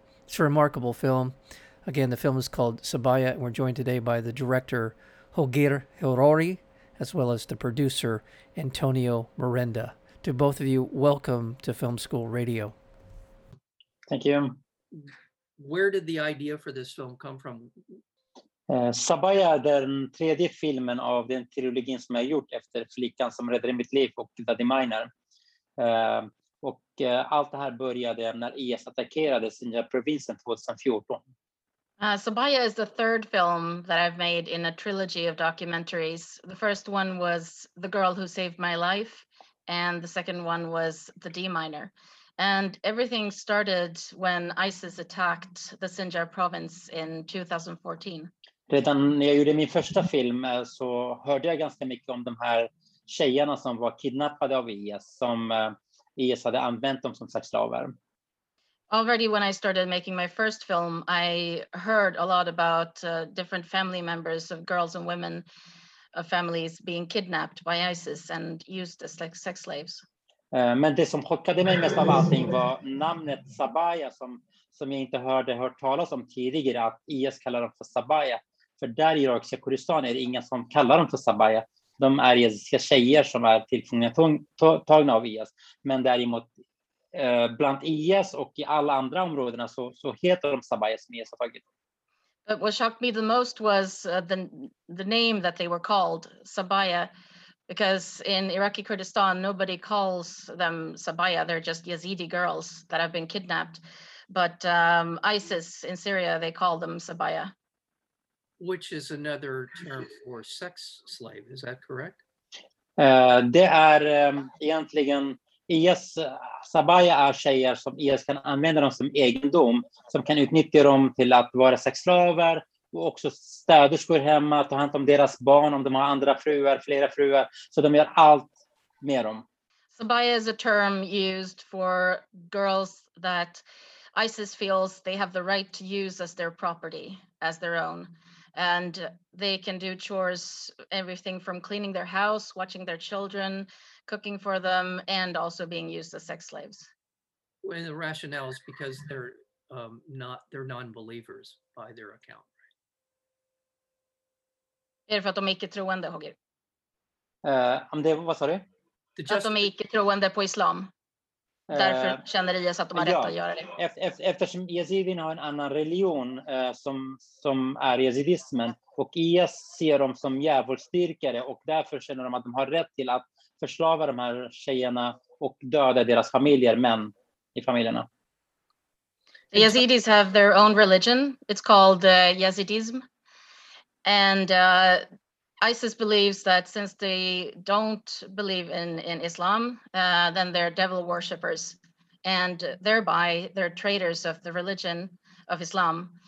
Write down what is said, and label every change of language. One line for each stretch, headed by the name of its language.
English: It's a remarkable film. Again, the film is called Sabaya, and we're joined today by the director, Holger Hrori, as well as the producer, Antonio Miranda. To both of you, welcome to Film School Radio. Thank you. Where did the idea for this film come from?
Swedish: Sabaya, den tredje filmen av den trilogin som jag gjort efter Flickan som räddade mitt liv och Daddy Miner. Och allt det här började när IS attackerade Sinjar-provinsen 2014.
English: Sabaya is the third film that I've made in a trilogy of documentaries. The first one was The Girl Who Saved My Life, and the second one was The D-Miner. And everything started when ISIS attacked the Sinjar province in 2014.
Swedish: Redan när jag gjorde min första film så hörde jag ganska mycket om de här tjejerna som var kidnappade av IS, som IS hade använt dem som sexslavar.
English: Already when I started making my first film, I heard a lot about different family members of girls and women of families being kidnapped by ISIS and used as like sex slaves.
Swedish: Men det som chockade mig mest av allting var namnet Sabaya, som jag inte hört talas om tidigare, att IS kallar dem för Sabaya. För där i irakiska Kurdistan är det inga som kallar dem för Sabaya. De är yazidiska tjejer som är tillfångatagna av IS. Men däremot bland IS och i alla andra områdena så heter de Sabaya som IS har tagit.
English: But what shocked me the most was the name that they were called, Sabaya. Because in Iraqi Kurdistan nobody calls them Sabaya. They're just Yazidi girls that have been kidnapped. But ISIS in Syria, they call them Sabaya. Which is another term for sex slave, is that correct?
Swedish: Det är egentligen IS, Sabaya är tjejer som IS kan använda dem som egendom, som kan utnyttja dem till att vara sexslaver och också städerskor hemma, ta hand om deras barn om de har andra fruar, flera fruar, så de gör allt med dem.
English: Sabaya is a term used for girls that ISIS feels they have the right to use as their property, as their own. And they can do chores, everything from cleaning their house, watching their children, cooking for them, and also being used as sex slaves. And the rationale is because they're non-believers by their account, right?
Swedish: Är det för att de icke troende, Holger? Om det, vad sa du? Att de är icke troende på islam. Därför känner IS att de har rätt att göra det. Eftersom yazidin har en annan religion som är yazidismen, och IS ser dem som djävulsdyrkare, och därför känner de att de har rätt till att förslava de här tjejerna och döda deras familjer, män i familjerna.
English: The Yazidis have their own religion. It's called Yazidism. And ISIS believes that since they don't believe in Islam, then they're devil worshippers, and thereby they're traitors of the religion of Islam.